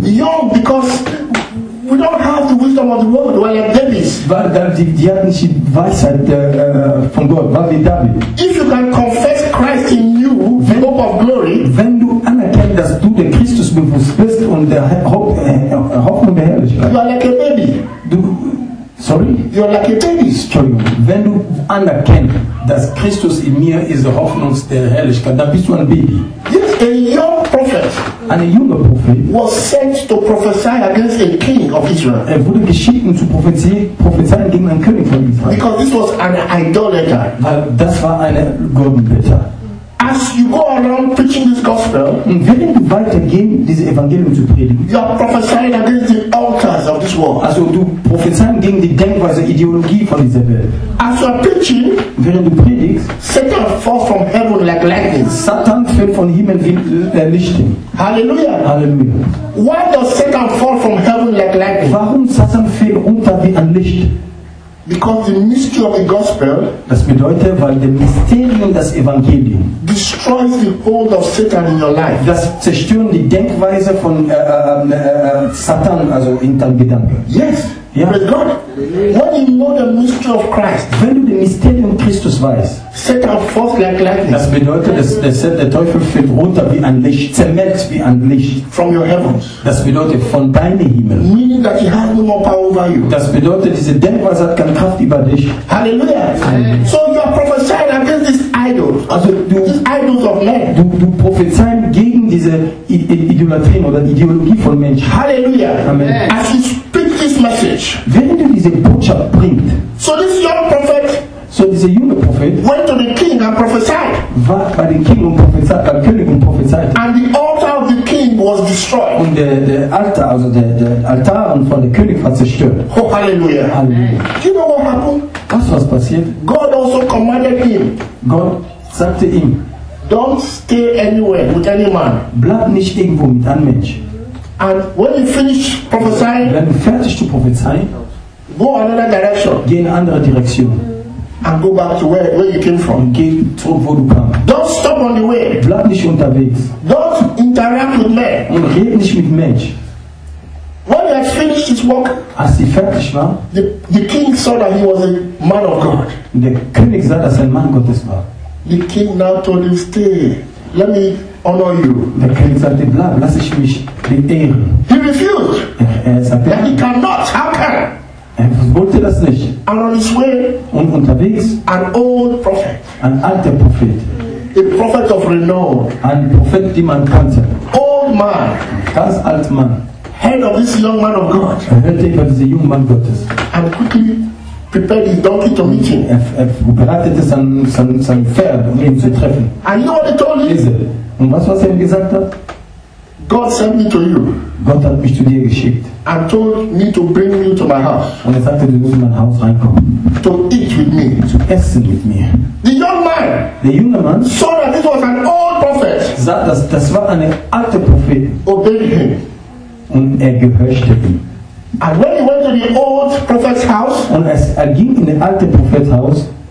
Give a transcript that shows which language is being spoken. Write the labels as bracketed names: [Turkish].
[English] Young because we don't have the wisdom of the world, we are babies. [German] Weil die hat nicht die Weisheit von Gott, war wie David. [English] And confess Christ in you, the hope of glory. [German] Wenn du anerkennst, dass du der Christus bewusst bist und der Hoffnung der Herrlichkeit. [English] You are like a baby. [German] Du, sorry? [English] You are like a baby. [German] Entschuldigung, wenn du anerkennst, dass Christus in mir ist die Hoffnung der Herrlichkeit, dann bist du ein Baby. [English] Yes, a young prophet. [German] Ein junger Prophet. [English] Was sent to prophesy against a king of Israel. [German] Er wurde geschickt, um zu prophezeien gegen einen König von Israel. [English] Because this was an idolater. [German] Weil das war eine Götterbeter. [English] As you go along preaching this gospel, [German] und während du weitergehst, dieses Evangelium zu predigen, [English] you are prophesying against the altars of this world. [German] Also du prophezeiest gegen die Denkweise, Ideologie von dieser Welt. [English] As you are preaching, [German] während du predigst, [English] Satan falls from heaven like lightning. [German] Satan fällt von Himmel wie Lichten. Hallelujah. Hallelujah. [English] Why does Satan fall from heaven like lightning? [German] Warum Satan fällt unter wie ein Licht? [English] Because the mystery of the gospel, [German] das bedeutet, weil der Mysterium des Evangeliums [English] destroys the hold of Satan in your life. [German] Das zerstört die Denkweise von Satan, also in deinem Gedanken. [English] Yes. Yeah. Praise God. When you know the mystery of Christ, [German] wenn du den Mysterium Christus weißt, [English] Satan falls like lightning. [German] Das bedeutet, dass der Teufel fällt runter wie ein Licht, zermelzt wie ein Licht. [English] From your heavens. [German] Das bedeutet von deinem Himmel. [English] Meaning that he has no more power over you. [German] Das bedeutet, diese Denkweise hat keine Kraft über dich. [English] Halleluja. So you are prophesying against these idols. [German] Also du, [English] these idols of men. [German] Du prophezeiest gegen diese Idolatrien oder Ideologie von Menschen. Halleluja. Amen. [English] As you speak this message. [German] Wenn du diese Botschaft bringst. [English] So this young prophet. [German] So dieser junge Prophet. [English] Went to the king and prophesied. [German] War bei dem King und prophezeit, beim König und prophezeit. [English] And the altar of the king was destroyed. [German] Und der Altar, also der Altar von dem König war zerstört. Oh, Halleluja. Halleluja. [English] Do you know what happened? [German] Was passiert? [English] God also commanded him. [German] God sagte ihm. [English] Don't stay anywhere with any man. [German] Bleib nicht irgendwo mit einem Mensch. [English] And when you finish prophesying, [German] wenn du fertig zu prophezeien, [English] go another direction. [German] Geh in eine andere Direktion. [English] And go back to where you came from. [German] Geh zurück, wo du kamst. [English] Don't stop on the way. [German] Bleib nicht unterwegs. [English] Don't interact with men. [German] Und red nicht mit Mensch. [English] When he had finished his work, [German] als sie fertig war, [English] the king saw that he was a man of God. [German] Der König sah, dass er ein Mann Gottes war. [English] The king now told him, stay. Let me honor you. [German] Der König sagte, bleib, lass ich mich dir ehren. [English] He refused. [German] Er sagte, [English] that he cannot. How can? [German] Er wollte das nicht. [English] And on his way, [German] und unterwegs, [English] an old prophet, [German] ein alter Prophet, [English] a prophet of renown, [German] ein Prophet, den man kannte, [English] old man, [German] ganz alt Mann, [English] heard of this young man of God. [German] Er hörte über diesen jungen Mann Gottes. [English] And quickly prepared his donkey to meet him. [German] Er bereitete sein Pferd, um ihn zu treffen. [English] And you know what he told him? [German] Und was er ihm gesagt hat? [English] God sent me to you. [German] Gott hat mich zu dir geschickt. [English] And told me to bring you to my house. [German] Und er sagte, du musst in mein Haus reinkommen. [English] To eat with me. [German] Zu essen mit mir. [English] The young man. [German] Der junge Mann. [English] Saw that this was an old prophet. [German] Sah, das war ein alter Prophet. [English] Obeyed him. [German] Und er gehorchte ihm. [English] And when he went to the old prophet's house, [German] und als er ging in den alten Prophet's Haus,